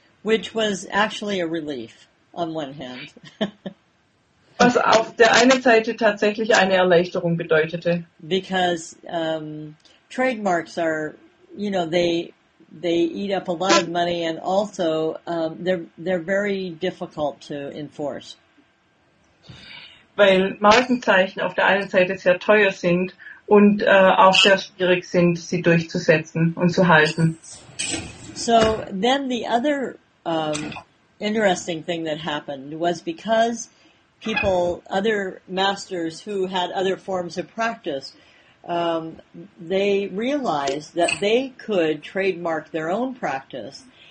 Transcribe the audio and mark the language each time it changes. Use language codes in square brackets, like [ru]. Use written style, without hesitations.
[en] Which was actually a relief. On one hand. [de] Was auf der einen Seite tatsächlich eine Erleichterung bedeutete. [en] Because trademarks are, you know, they eat up a lot of money and also they're very difficult to enforce. [de] Weil Markenzeichen auf der einen Seite sehr teuer sind und auch sehr schwierig sind, sie durchzusetzen und zu halten. [en] So then the other interesting thing that happened was because people, other masters who had other forms of practice, they realized that they could trademark their own practice.